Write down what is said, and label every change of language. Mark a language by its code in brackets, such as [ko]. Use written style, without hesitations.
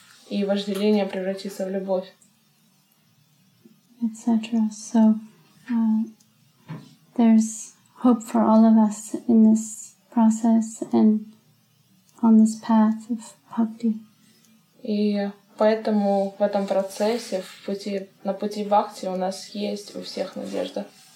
[ru] И вожделение превратится в любовь. [en] Etc. So there's hope for all of us in this process and on this path of bhakti. [ru] И поэтому в этом процессе, на пути бхакти у нас есть у всех надежда.